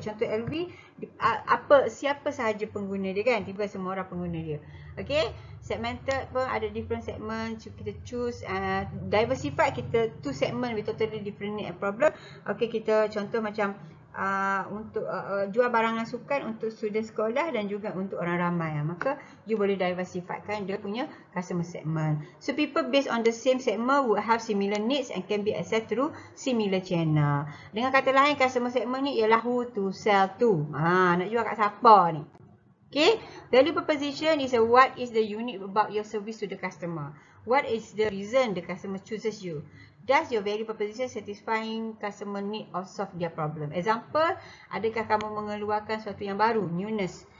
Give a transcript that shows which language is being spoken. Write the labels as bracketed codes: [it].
[ms] Contoh LV, apa siapa sahaja pengguna dia kan, tiba semua orang pengguna dia. Okay, segmented pun ada [en] different segment, [ms] kita choose. [en] Diversified, kita two segment with totally different need and problem. [ms] Okay, kita contoh macam untuk jual barangan sukan untuk student sekolah dan juga untuk orang ramai. Maka, you boleh diversifikan dia punya customer segment. [en] So, people based on the same segment would have similar needs and can be accessed through similar channel. [ms] Dengan kata lain, customer segment ni ialah [en] who to sell to. [ms] Nak jual kat siapa ni? [en] Okay, value proposition is a what is the unique about your service to the customer? What is the reason the customer chooses you? Does your value proposition satisfying customer need or solve their problem? [ms] Example, adakah kamu mengeluarkan sesuatu yang baru, newness?